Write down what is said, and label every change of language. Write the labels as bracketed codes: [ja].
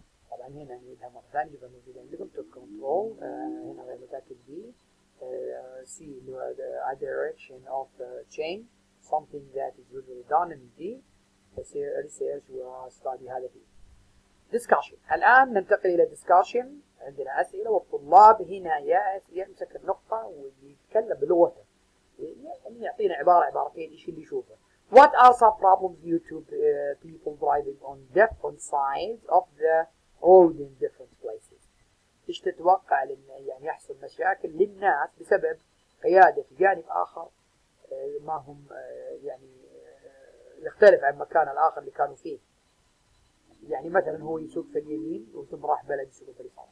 [ar] طبعاً هنا نعيدها مرة ثانية إذا موجودة عندكم [en] took control [ar] هنا غير متأكد بـ [en] C a direction of change something that is usually done in D research study [ar] هذا فيه [en] discussion. [ar] الآن ننتقل إلى discussion. عندنا أسئلة والطلاب هنا يمسك النقطة ويتكلم بلغته يعني يعطينا عبارتين إيش اللي يشوفه. [en] What are some problems due to people driving on different sides of the all in different places. [ar] إيش تتوقع لأن يعني يحصل مشاكل للناس بسبب قيادة في جانب آخر ما هم يعني يختلف عن مكان الآخر اللي كانوا فيه. يعني مثلا هو يسوق في اليمين وثم راح بلد يسوق في اليسار.